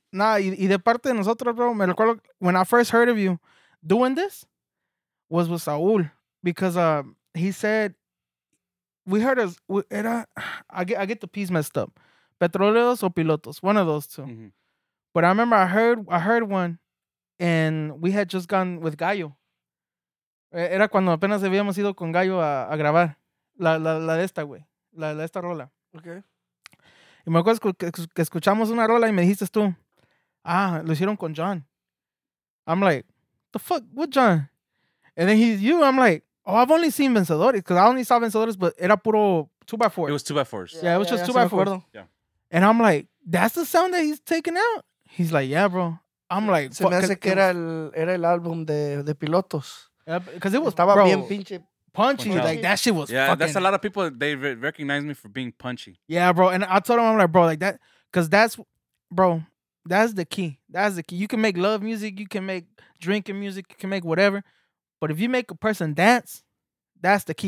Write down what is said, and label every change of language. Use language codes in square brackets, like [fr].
[en] Nah, [es] y de parte de nosotros, bro, me recuerdo [en] when I first heard of you doing this was with Saul, because he said... We heard us. I get the piece messed up, Petroleros or Pilotos, one of those two. Mm-hmm. But I remember I heard one, and we had just gone with Gallo. [es] Era cuando apenas habíamos ido con Gallo a grabar la de esta güey, la de esta rola. [en] Okay. [es] Y me acuerdo que escuchamos una rola y me dijiste tú, ah, lo hicieron con John. [en] I'm like, the fuck, what John? And then he's you. I'm like, oh, I've only seen Vencedores, because I only saw Vencedores, but [es] era puro 2x4. [en] It was 2x4s. Yeah, it was just 2x4s. Yeah. And I'm like, that's the sound that he's taking out? He's like, yeah, bro. I'm like, [es] se me hace que era el álbum de Pilotos. [en] Yeah, because it was, [es] estaba bro, bien pinche [en] punchy. Yeah. Like, that shit was yeah, fucking... Yeah, that's a lot of people, they recognize me for being punchy. Yeah, bro. And I told him, I'm like, bro, like that, because that's, bro, that's the key. You can make love music, you can make drinking music, you can make whatever. But if you make a person dance, that's the key.